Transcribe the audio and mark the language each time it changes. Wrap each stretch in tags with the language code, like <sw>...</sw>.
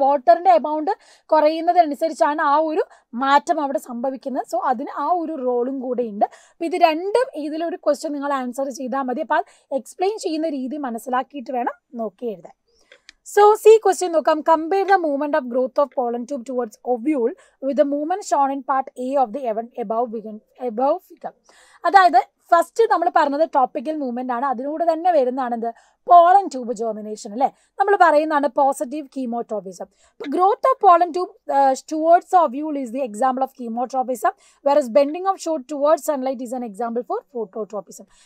<ml>വാട്ടറിൻ്റെ എമൗണ്ട് കുറയുന്നതനുസരിച്ചാണ് ആ ഒരു മാറ്റം അവിടെ സംഭവിക്കുന്നത്. സോ അതിന് ആ ഒരു റോളും കൂടെ ഉണ്ട്. അപ്പോൾ ഇത് രണ്ടും ഇതിലൊരു ക്വസ്റ്റ്യൻ നിങ്ങൾ ആൻസർ ചെയ്താൽ മതി. അപ്പോൾ അത് എക്സ്പ്ലെയിൻ ചെയ്യുന്ന രീതി മനസ്സിലാക്കിയിട്ട് വേണം നോക്കി എഴുതാൻ.</ml> <en>So, see question</en> <ml>nokam.</ml> <en>Compare the movement of growth of pollen tube towards ovule with the movement shown in part A of the event above figure.</en> <ml>അതായത് ഫസ്റ്റ് നമ്മൾ പറഞ്ഞത് ടോപ്പിക്കൽ മൂവ്മെന്റ് ആണ്. അതിനോട് തന്നെ വരുന്നതാണ് എന്ത്, പോളൻ ട്യൂബ് ജേർമിനേഷൻ അല്ലേ. നമ്മൾ പറയുന്നതാണ്</ml> <en>Positive chemotropism. അപ്പൊ growth of pollen tube towards ovule is the example of chemotropism, whereas bending of shoot towards sunlight is an example for phototropism.</en>